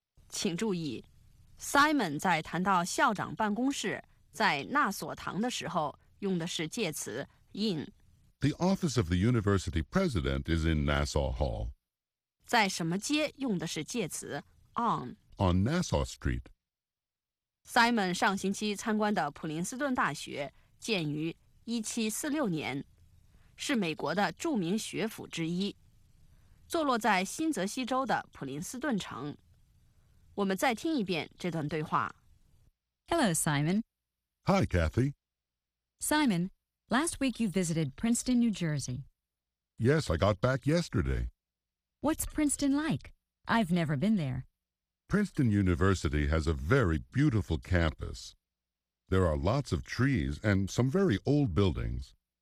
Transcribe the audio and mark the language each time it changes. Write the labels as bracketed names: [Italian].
[Chinese] Please 注意 Simon 在谈到校长办公室在纳索堂的时候用的是介词 in. [English] The office of the university president is in Nassau Hall. [Chinese] 在什么街用的是介词 on? [English] On Nassau Street. [Chinese] Simon 上星期参观的普林斯顿大学建于1746年，是美国的著名学府之一，坐落在新泽西州的普林斯顿城。我们再听一遍这段对话。 [English] Hello, Simon. Hi, Kathy. Simon, last week you visited Princeton, New Jersey. Yes, I got back yesterday. What's Princeton like? I've never been there. Princeton University has a very beautiful campus. There are lots of trees and some very old buildings.